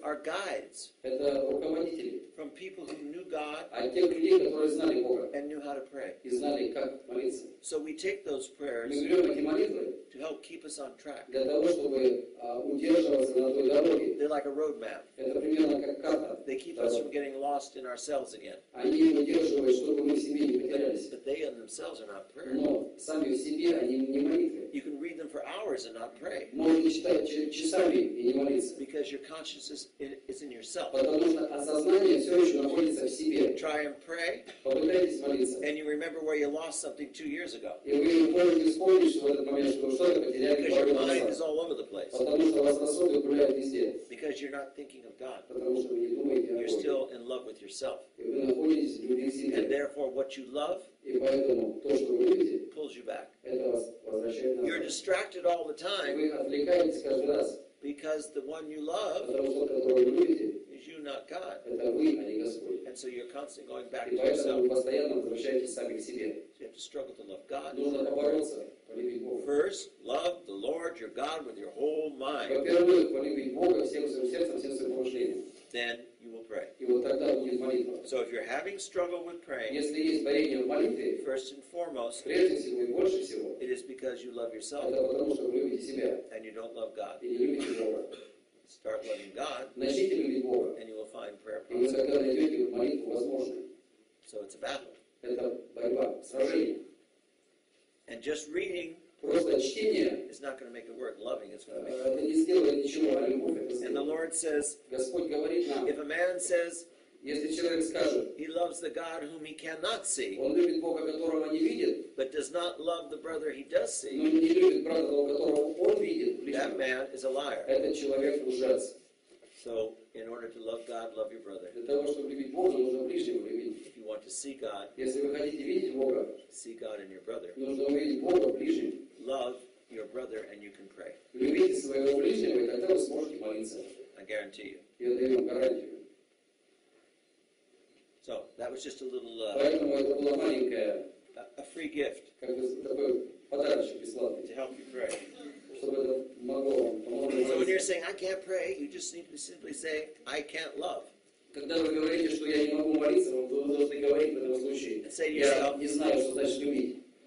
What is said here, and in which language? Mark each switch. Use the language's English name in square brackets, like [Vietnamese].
[English] are guides. [Russian] Это руководители. [English] From people who knew God, [Russian] от тех людей, которые знали Бога, [English] and knew how to pray. [Russian] И знали, как молиться. [English] So we take those prayers, [Russian] мы берем эти молитвы, [English] to help keep us on track. [Russian] Для того, чтобы удерживаться на той дороге. [English] They're like a roadmap. [Russian] Это примерно как карта. [English] They keep us from getting lost in ourselves again. [Russian] Они удерживают, чтобы мы себе не потерялись. [English] But they in themselves are not prayer. [Russian] Но сами в себе они не молитвы. [English] You can read them for hours and not pray. [Russian] Можете читать часами и не молиться. [English] Because your consciousness is in yourself. [Russian] Потому что осознание все еще находится в себе. [English] Try and pray. [Russian] Попытайтесь молиться. [English] And you remember where you lost something 2 years ago. [Russian] И вы можете вспомнить, что в этот момент что-то потеряли 2 года назад. [English] Because your mind is all over the place. [Russian] Потому что вас настолько управляет везде. [English] Because you're not thinking of God. [Russian] Потому что вы не думаете о Боге. [English] You're still in love with yourself. [Russian] И вы находитесь в любви к себе. [English] And therefore what you love, [Russian] и поэтому то, что вы любите, [English] pulls you back. [Russian] Это вас возвращает назад. [English] You're distracted all the time. [Russian] Вы отвлекаетесь каждый раз. [English] Because the one you love, [Russian] потому что тот, которого вы любите, [English] is you, not God. [Russian] Это вы, а не Господь. [English] And so you're constantly going back to yourself. [Russian] И поэтому вы постоянно возвращаетесь сами к себе. [English] So you have to struggle to love God. [Russian] Нужно побороться, полюбить Бога. [English] First, love the Lord your God with your whole mind. [Russian] Во-первых, полюбить Бога всем своим сердцем, всем своим помышлением. [English] Then you will pray. [Russian] И вот тогда будет молитва. [English] So if you're having struggle with praying, [Russian] если есть борение в молитве, [English] first and foremost, [Russian] прежде всего и больше всего, [English] it is because you love yourself. [Russian] Это потому, что вы любите себя. [English] And you don't love God. [Russian] И не любите Бога. [English] Start loving God. [Russian] Начните любить Бога. [English] And you will find prayer possible. [Russian] И вы тогда найдете молитву возможной. [English] So it's a battle. [Russian] Это борьба, сражение. [English] And just reading, [Russian] просто чтение, [English] it's not going to make it work. Loving is going to make it. [Russian] Это не сделает ничего, а любовь это сделает. [English] And the Lord says, [Russian] Господь говорит нам, [English] if a man says, [Russian] если человек скажет, [English] he loves the God whom he cannot see, [Russian] он любит Бога, которого не видит, [English] but does not love the brother he does see, [Russian] но не любит брата того, которого он видит, [English] that man is a liar. [Russian] Этот человек лжец. [English] So, in order to love God, love your brother. [Russian] Для того, чтобы любить Бога, нужно ближнего любить. [English] If you want to see God, [Russian] если вы хотите видеть Бога, [English] see God in your brother. [Russian] Нужно увидеть Бога ближнем. [English] Love your brother and you can pray. [Russian] Любите своего ближнего, и тогда вы сможете молиться. [English] I guarantee you. [Russian] Я даю вам гарантию. [English] So, that was just a little, [Russian] поэтому это была маленькая, [English] a free gift, [Russian] как бы такой подарочек бесплатный, [English] to help you pray. [Russian] Чтобы это могло вам помочь. [English] So when you're saying, I can't pray, you just need to simply say, I can't love. [Russian] Когда вы говорите, что я не могу молиться, вы должны говорить в этом случае, я не знаю, что значит любить.